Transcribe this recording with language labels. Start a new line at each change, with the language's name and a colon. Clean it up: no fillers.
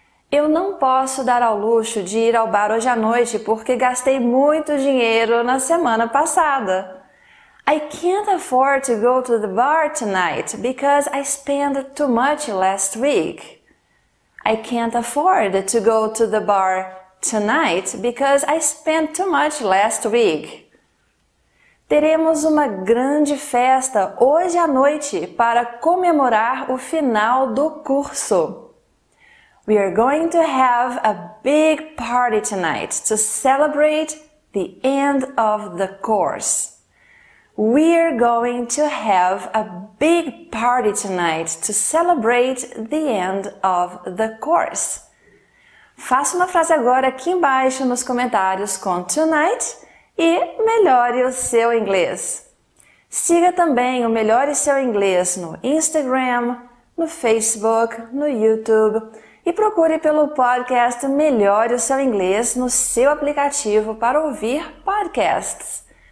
Portuguese: Eu não posso dar ao luxo de ir ao bar hoje à noite porque gastei muito dinheiro na semana passada.
English: I can't afford to go to the bar tonight because I spent too much last week. I can't afford to go to the bar tonight because I spent too much last week.
Portuguese: Teremos uma grande festa hoje à noite para comemorar o final do curso.
English: We are going to have a big party tonight to celebrate the end of the course. We are going to have a big party tonight to celebrate the end of the course.
Portuguese: Faça uma frase agora aqui embaixo nos comentários com tonight e melhore o seu inglês. Siga também o Melhore Seu Inglês no Instagram, no Facebook, no YouTube e procure pelo podcast Melhore o Seu Inglês no seu aplicativo para ouvir podcasts.